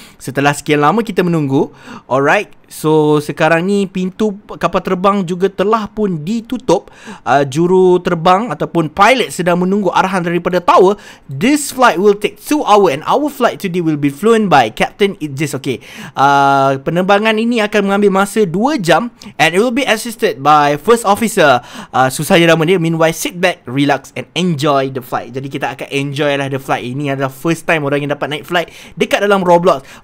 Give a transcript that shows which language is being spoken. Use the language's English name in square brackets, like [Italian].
[Malay] Setelah sekian lama kita menunggu. Alright, so sekarang ni pintu kapal terbang juga telah pun ditutup. Juru terbang ataupun pilot sedang menunggu arahan daripada tower. [English] This flight will take 2 hours and our flight today will be flown by Captain Idris. [Malay] Okay, penerbangan ini akan mengambil masa 2 jam [English] and it will be assisted by first officer. [Malay] Susah je nama dia. [English] Meanwhile, sit back, relax and enjoy the flight. [Malay] Jadi kita akan enjoy lah [English] the flight. [Malay] Ini adalah first time orang yang dapat naik flight dekat dalam Roblox.